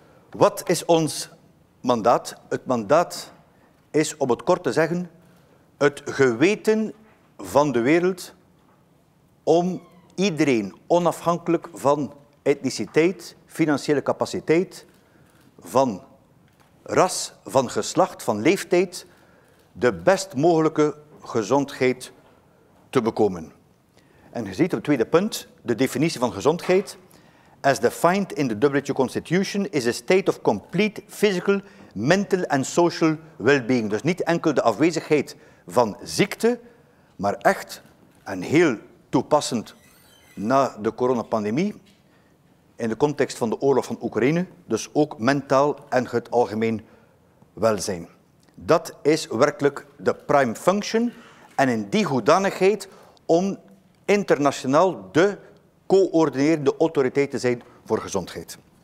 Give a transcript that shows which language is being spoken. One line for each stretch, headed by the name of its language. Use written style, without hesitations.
Dutch: Wat is ons mandaat? Het mandaat is, om het kort te zeggen, het geweten van de wereld om iedereen, onafhankelijk van etniciteit, financiële capaciteit, van ras, van geslacht, van leeftijd, de best mogelijke gezondheid te bekomen. En je ziet op het tweede punt de definitie van gezondheid.
English: As defined in the WHO Constitution is a state of complete physical, mental and social well-being.
Dutch: Dus niet enkel de afwezigheid van ziekte, maar echt, en heel toepassend na de coronapandemie, in de context van de oorlog van Oekraïne, dus ook mentaal en het algemeen welzijn. Dat is werkelijk de prime function en in die hoedanigheid om internationaal de coördinerende autoriteit te zijn voor gezondheid.